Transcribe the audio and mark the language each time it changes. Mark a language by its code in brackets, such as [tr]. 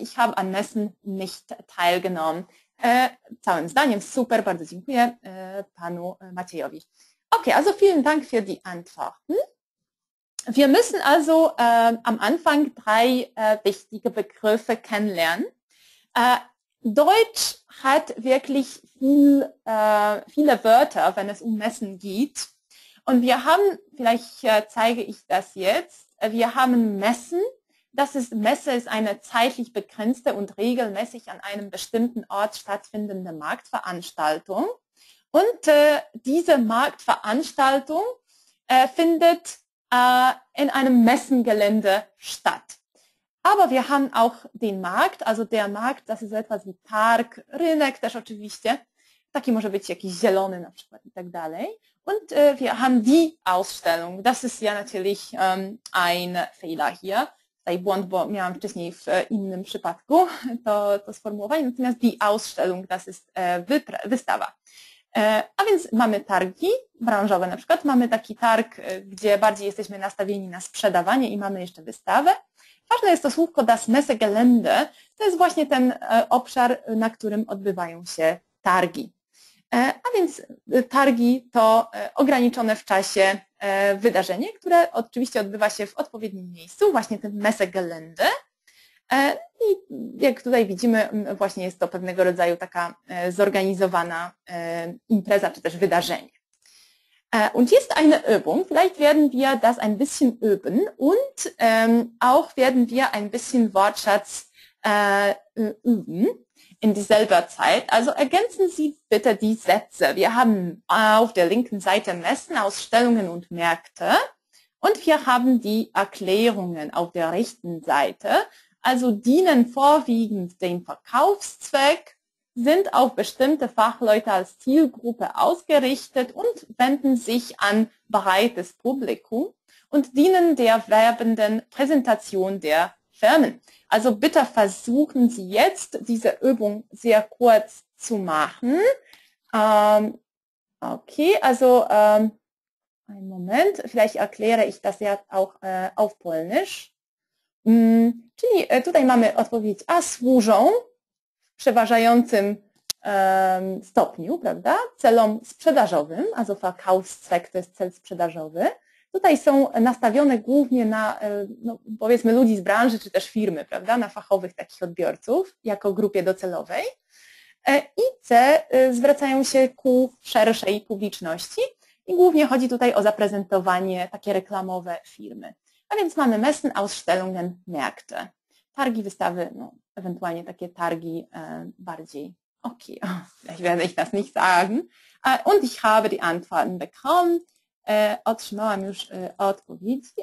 [de] Ich habe an Messen nicht teilgenommen. [pl] Całym zdaniem super, bardzo dziękuję panu Maciejowi. [de] Okay, also vielen Dank für die Antworten. Wir müssen also am Anfang drei wichtige Begriffe kennenlernen. Deutsch hat wirklich viele Wörter, wenn es um Messen geht. Und wir haben, vielleicht zeige ich das jetzt, wir haben Messen. Messe ist eine zeitlich begrenzte und regelmäßig an einem bestimmten Ort stattfindende Marktveranstaltung. Und diese Marktveranstaltung findet in einem Messengelände statt. Aber wir haben auch den Markt, also der Markt, das ist etwas wie Park, [pl] Rynek też oczywiście. Taki może być jakiś zielony na przykład i tak dalej. [de] Und wir haben die Ausstellung. Das ist ja natürlich ein Fehler hier. [pl] Tutaj błąd, bo miałam wcześniej w innym przypadku to sformułowanie. Natomiast [de] die Ausstellung, das ist wystawa. [pl] A więc mamy targi branżowe na przykład, mamy taki targ, gdzie bardziej jesteśmy nastawieni na sprzedawanie i mamy jeszcze wystawę. Ważne jest to słówko das Messegelände, to jest właśnie ten obszar, na którym odbywają się targi. A więc targi to ograniczone w czasie wydarzenie, które oczywiście odbywa się w odpowiednim miejscu, właśnie w tym Messegelände. I jak tutaj widzimy, właśnie jest to pewnego rodzaju taka zorganizowana impreza czy też wydarzenie. [de] Und hier ist eine Übung. Vielleicht werden wir das ein bisschen üben und auch werden wir ein bisschen Wortschatz üben in dieselber Zeit. Also ergänzen Sie bitte die Sätze. Wir haben auf der linken Seite Messen, Ausstellungen und Märkte und wir haben die Erklärungen auf der rechten Seite. Also dienen vorwiegend dem Verkaufszweck, sind auf bestimmte Fachleute als Zielgruppe ausgerichtet und wenden sich an breites Publikum und dienen der werbenden Präsentation der Firmen. Also bitte versuchen Sie jetzt, diese Übung sehr kurz zu machen. Okay, also einen Moment, vielleicht erkläre ich das ja auch auf Polnisch. [pl] Czyli tutaj mamy odpowiedź A, służą w przeważającym stopniu, prawda? Celom sprzedażowym, also Verkaufszweck to jest cel sprzedażowy. Tutaj są nastawione głównie na, no, powiedzmy, ludzi z branży czy też firmy, prawda? Na fachowych takich odbiorców jako grupie docelowej. I C zwracają się ku szerszej publiczności i głównie chodzi tutaj o zaprezentowanie takie reklamowe firmy. A więc mamy Messen, Ausstellungen, Märkte. Targi, wystawy, no, ewentualnie takie targi bardziej. [de] Okay, vielleicht werde ich das nicht sagen. Und ich habe die Antworten bekommen. [pl] Otrzymałam już odpowiedzi.